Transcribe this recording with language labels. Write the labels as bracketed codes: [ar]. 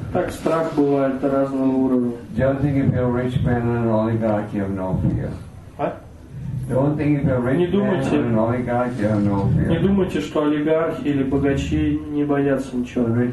[ru] Так страх бывает на разном уровне. [en] Don't think if you're a rich man and an oligarch, you have no fear. [ru] Не думайте, что олигархи или богачи не боятся ничего.